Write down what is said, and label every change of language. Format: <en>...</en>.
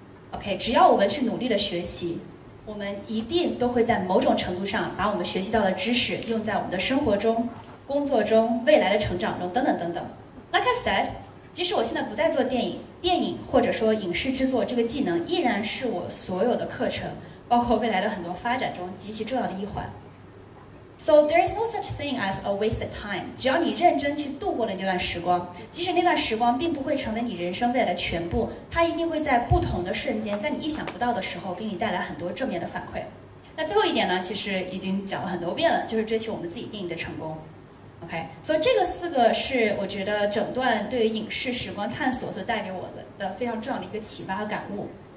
<zh>OK, 只要我们去努力地学习，我们一定都会在某种程度上把我们学习到的知识用在我们的生活中，工作中未来的成长中等等等等。</zh> <en>Like I said,</en> <zh>即使我现在不再做电影，电影或者说影视制作这个技能依然是我所有的课程，包括未来的很多发展中极其重要的一环。</zh> <en>So there is no such thing as a wasted time.</en> <zh>只要你认真去度过了那段时光，即使那段时光并不会成为你人生未来的全部，它一定会在不同的瞬间，在你意想不到的时候给你带来很多正面的反馈。那最后一点呢，其实已经讲了很多遍了，就是追求我们自己定义的成功。 OK， 所以这个四个是我觉得整段对于影视时光探索所带给我的非常重要的一个启发和感悟。</zh>